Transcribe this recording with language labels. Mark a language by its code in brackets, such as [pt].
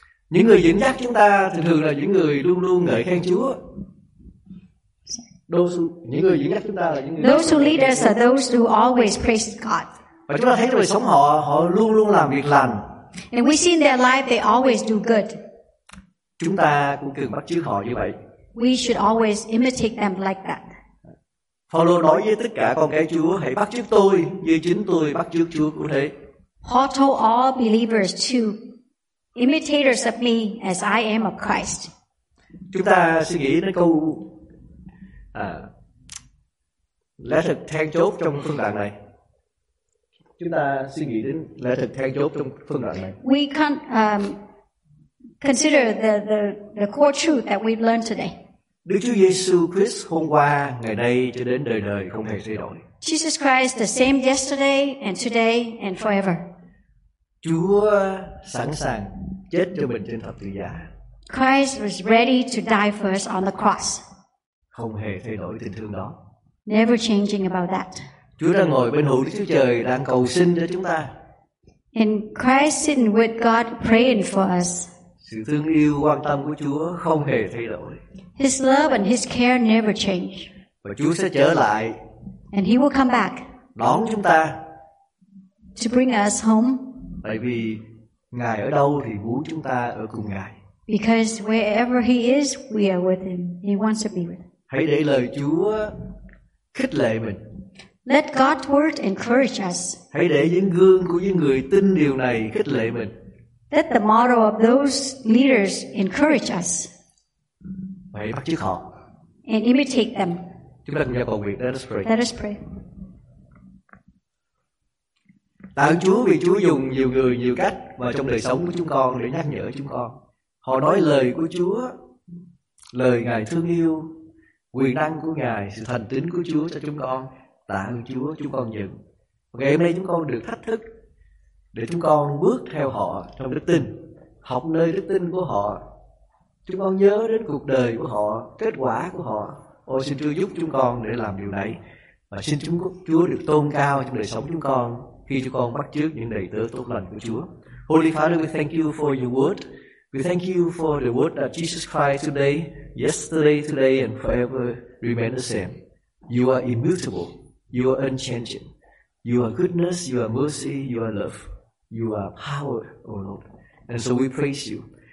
[vi] Những người dẫn dắt chúng ta thường là những người luôn luôn ngợi khen Chúa. Những người dẫn dắt chúng ta là những người [en] those who lead us are those who always praise God. [vi] Và chúng ta thấy trong đời sống họ, họ luôn luôn làm việc lành. [en] And we see in their life they always do good. [vi] Chúng ta cũng cần bắt chước họ như vậy. [en] We should always imitate them like that. [vi] Phaolô nói với tất cả con cái Chúa, hãy bắt chước tôi như chính tôi bắt chước Chúa cũng thế. [en] Paul told all believers to imitators of me as I am of Christ. [vi] Chúng ta suy nghĩ đến câu lẽ thật then chốt trong phương đoạn này. Chúng ta suy nghĩ đến lẽ thật then chốt trong phương đoạn này. [en] We can't consider the core truth that we've learned today. [vi] Đức Chúa Giêsu Christ hôm qua, ngày nay cho đến đời đời không hề thay đổi. [en] Jesus Christ the same yesterday and today and forever. [vi] Chúa sẵn sàng chết cho mình trên thập tự giá. [en] Christ was ready to die for us on the cross. [vi] Không hề thay đổi tình thương đó. [en] Never changing about that. [vi] Chúa đang ngồi bên hữu Đức Chúa Trời đang cầu xin cho chúng ta. [en] And Christ sitting with God praying for us. [vi] Sự thương yêu quan tâm của Chúa không hề thay đổi. [en] His love and his care never change. [vi] Và Chúa sẽ trở lại. [en] And he will come back. [vi] Đón chúng ta. [en] To bring us home. [vi] Tại vì Ngài ở đâu thì muốn chúng ta ở cùng Ngài. [en] Because wherever he is, we are with him. He wants to be with him. [vi] Hãy để lời Chúa khích lệ mình. [en] Let God's word encourage us. [vi] Hãy để những gương của những người tin điều này khích lệ mình. [en] Let the model of those leaders encourage us. [vi] Hãy bắt chước họ. [en] And imitate them. [vi] Chúng ta cùng nhau cầu nguyện. [en] Let us pray. Let us pray. [vi] Tạ ơn Chúa vì Chúa dùng nhiều người nhiều cách mà trong đời sống của chúng con để nhắc nhở chúng con. Họ nói lời của Chúa, lời Ngài thương yêu, quyền năng của Ngài, sự thành tín của Chúa cho chúng con. Tạ ơn Chúa chúng con nhận. Ngày hôm nay chúng con được thách thức để chúng con bước theo họ trong đức tin, học nơi đức tin của họ. Chúng con nhớ đến cuộc đời của họ, kết quả của họ. Ôi xin Chúa giúp chúng con để làm điều này. Và xin Chúa được tôn cao trong đời sống chúng con. Khi chúng con bắt chước những đầy tớ tốt lành của Chúa. [en] Holy Father, we thank you for your word. We thank you for the word that Jesus Christ today, yesterday, today, and forever remain the same. You are immutable. You are unchanging. You are goodness, you are mercy, you are love. You are power, O Lord. And so we praise you.